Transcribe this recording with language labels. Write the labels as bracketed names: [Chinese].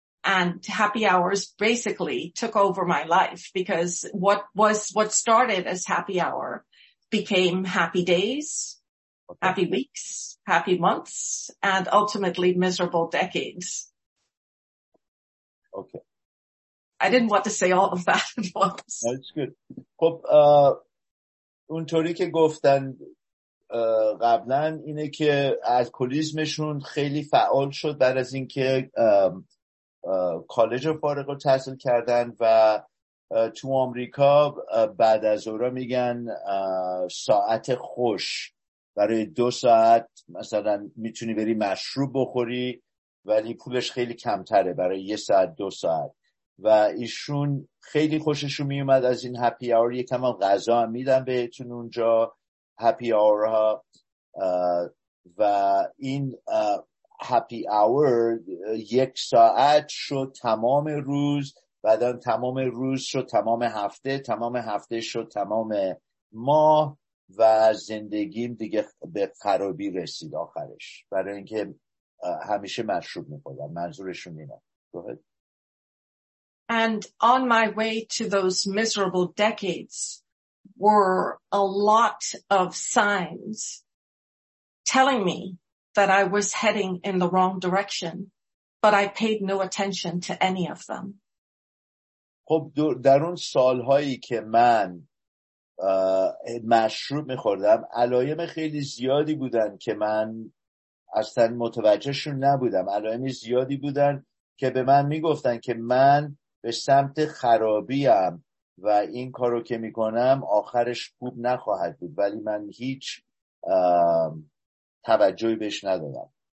[English] And happy hours basically took over my life because what started as happy hour became happy days, okay. Happy weeks, happy months, and ultimately miserable decades. Okay. I didn't want to say all of that at once. That's good. [Persian] خب اونطوری که گفتن قبلا اینه که الکلیزمشون خیلی فعال شد بعد از اینکه کالج فارغ رو تحصیل کردن و تو آمریکا بعد از اونا میگن ساعت خوش، برای دو ساعت مثلا میتونی بری مشروب بخوری ولی پولش خیلی کمتره، برای یه ساعت دو ساعت. و ایشون خیلی خوششون میومد از این هپی آور، یکم هم غذا هم میدن بهتون اونجا هپی آور ها. و این happy hour یک ساعت شد تمام روز، بعدا تمام روز شد تمام هفته شد تمام ما و زندگیم دیگه به خرابی رسید آخرش، برای اینکه همیشه مشروب می‌خوردم. منظورشون اینه. [English] And on my way to those miserable decades were a lot of signs telling me that I was heading in the wrong direction, but I paid no attention to any of them. [Persian] خب در اون سالهایی که من مشروب میخوردم علایم خیلی زیادی بودن که من اصلا متوجهشون نبودم. علایم زیادی بودن که به من میگفتن که من به سمت خرابیم و این کارو که میکنم آخرش خوب نخواهد بود، ولی من هیچ توجهی بهش ندادم.